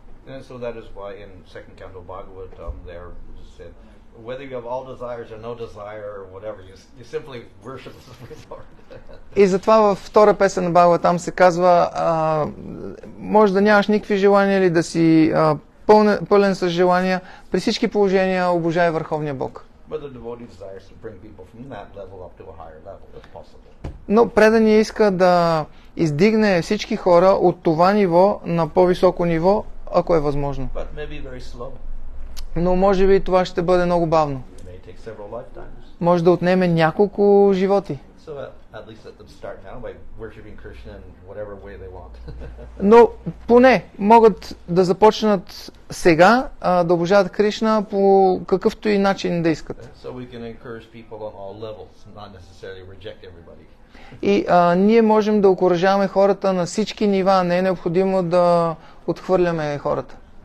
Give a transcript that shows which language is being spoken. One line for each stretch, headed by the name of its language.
English: And so that is why in second canto Bhagavata there said whether you have all desires or no desire or whatever, you simply worship the Supreme Lord.
Bulgarian: И затова във втора песен на Бхагавата там се казва може да нямаш никакви желания или да си пълен с желания, при всички положения обожай Върховния Бог.
English: But the devotee desires to bring people from that level up to a higher level, if possible.
Bulgarian: Но преданият иска да издигне всички хора от това ниво на по-високо ниво, ако е възможно.
English: But maybe very slow.
Bulgarian: Но може би това ще бъде много бавно.
English: It may take several lifetimes.
Bulgarian: Може да отнеме няколко животи.
English: So at least let them start now by worshiping Krishna in whatever way they want.
Bulgarian: Но поне могат да започнат сега да обожават Кришна по какъвто и начин да искат.
English: So we can encourage people on all levels, not necessarily reject everybody.
Bulgarian: И ние можем да окуражаваме хората на всички нива, не е необходимо да отхвърляме хората.